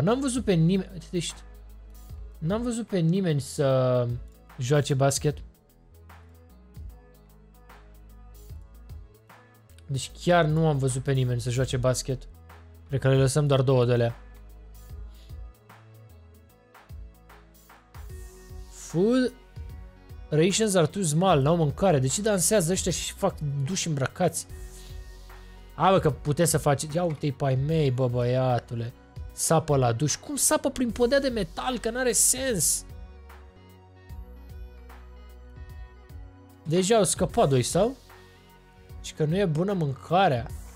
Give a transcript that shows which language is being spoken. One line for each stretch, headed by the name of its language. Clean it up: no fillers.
Romanian: N-am văzut pe nimeni, deci, n-am văzut pe nimeni să joace basket. Deci chiar nu am văzut pe nimeni să joace basket. Cred că le lăsăm doar două de alea.
English: Food rations are too small,
Romanian: n-au mâncare. De ce dansează ăștia și fac duși îmbrăcați? A, bă, că puteți să faci... Ia uite-i pai mei, bă, băiatule. Sapă la duș. Cum sapă prin podea de metal? Că n-are sens. Deja au scăpat doi, sau? Și că nu e bună mâncarea.